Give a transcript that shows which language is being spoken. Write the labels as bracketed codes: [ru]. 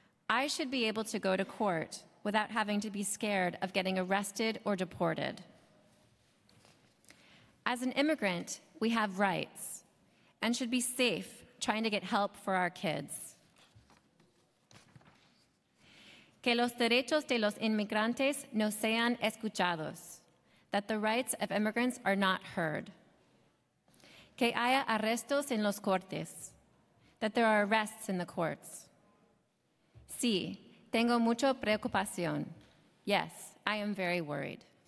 [en] I should be able to go to court without having to be scared of getting arrested or deported. As an immigrant, we have rights and should be safe trying to get help for our kids. [es] Que los derechos de los inmigrantes no sean escuchados. [en] That the rights of immigrants are not heard. [es] Que haya arrestos en los cortes. [en] That there are arrests in the courts. [es] Sí, tengo mucho preocupación. [en] Yes, I am very worried."